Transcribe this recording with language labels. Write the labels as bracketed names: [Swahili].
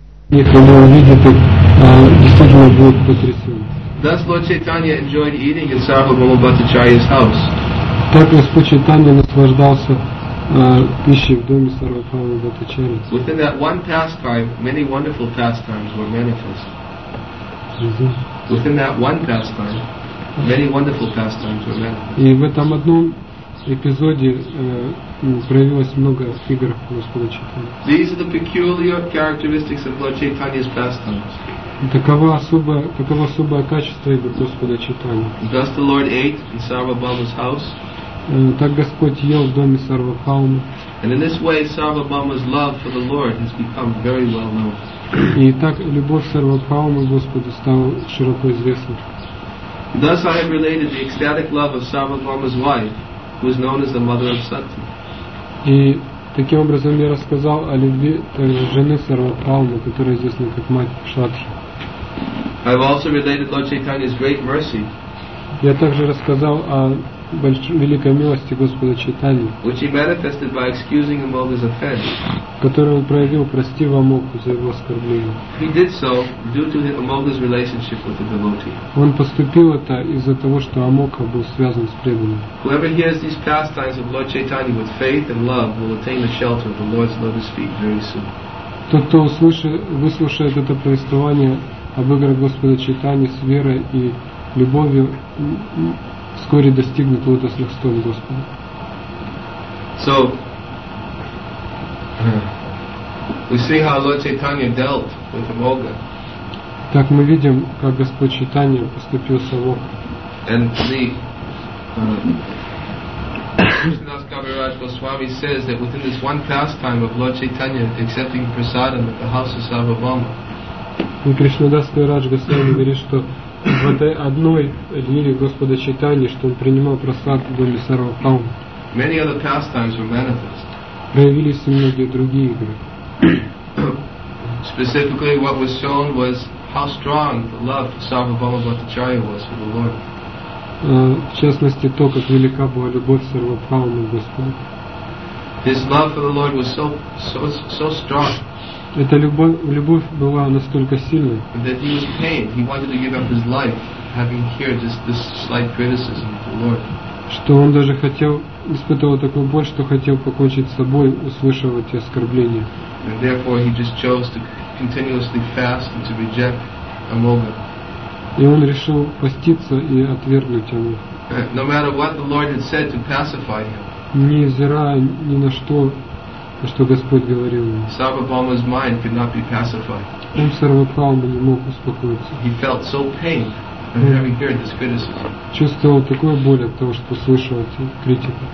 [Russian] если он увидит, действительно будет потрясен. [English] Thus Lord Chaitanya enjoyed eating at Sarvabhauma Bhattacharya's house. [Russian] Так Господь Чайтанья наслаждался пищей в доме Сарвабхаумы Бхаттачарьи. [English] Within that one pastime, many wonderful pastimes were manifest. Within that one pastime, many wonderful pastimes were manifest. [Russian] И в этом одном эпизоде проявилось много игр Господа Чайтаньи. [English] These are the peculiar characteristics of Lord Chaitanya's pastimes. [Russian] Таково особое качество игр Господа Чайтаньи. [English] Thus the Lord ate in Sarvabhauma's house. [Russian] Так Господь ел в доме Сарвабхаумы. [English] And in this way, Sarvabhauma's love for the Lord has become very well known. [Russian] И так любовь Сарвабхаумы Господу стала широко известна. [English] Thus I have related the ecstatic love of Sarvabhauma's wife, who is known as the mother of Sati. [Russian] И таким образом я рассказал о любви жены Сарвабхаумы, которая известна как мать Шатхи. [English] I have also related Lord Chaitanya's great mercy. [Russian] Я также рассказал о великой милости Господа Чайтаньи, [English] which he manifested by excusing him of his offense. [Russian] Которую он проявил, простив Амогху за его оскорбление. [English] He did so due to Amogha's relationship with the devotee. [Russian] Он поступил это из-за того, что Амогха был связан с преданным. [English] Whoever hears these pastimes of Lord Chaitanya with faith and love will attain the shelter of the Lord's lotus feet very soon. [Russian] Тот, кто выслушает это повествование об играх Господа Чайтаньи с верой и любовью, вскоре достигнут лотосных стоп Господа. [English] So, we see how Lord Chaitanya dealt with Amogha. [Russian] Так мы видим, как Господь Чайтанья поступил с Амогхой. [English] And the Krishnadas Kaviraj Goswami says that within this one pastime of Lord Chaitanya accepting prasadam at the house of Sarvabhauma. [Russian] И Кришнадас Кавирадж Госвами говорит, что в этой одной лиле Господа Чайтаньи, что он принимал прасад в доме Сарвабхаумы. [English] Many other pastimes were manifest. [Russian] Проявились и многие другие игры. [English] Specifically, what was shown was how strong the love for Sarvabhauma Bhattacharya was for the Lord. [Russian] В частности, то, как велика была любовь Сарвабхаумы к Господу. [English] His love for the Lord was so strong. [Russian] Эта любовь была настолько сильной, [English] that he was pained, he wanted to give up his life, having heard just this slight criticism of the Lord. [Russian] Что он даже хотел, испытывал такую боль, что хотел покончить с собой, услышав эти оскорбления. [English] And therefore he just chose to continuously fast and to reject Amogha. [Russian] И он решил поститься и отвергнуть Амогху. [English] No matter what the Lord had said to pacify him. [Russian] Невзирая ни на что, что Господь говорил ему. [English] Сарвабхаума's mind could not be pacified. [Russian] Ум Сарвабхаумы не мог успокоиться. [English] He felt so pain when he heard this criticism. [Russian] Чувствовал такую боль от того, что слышал эту критику.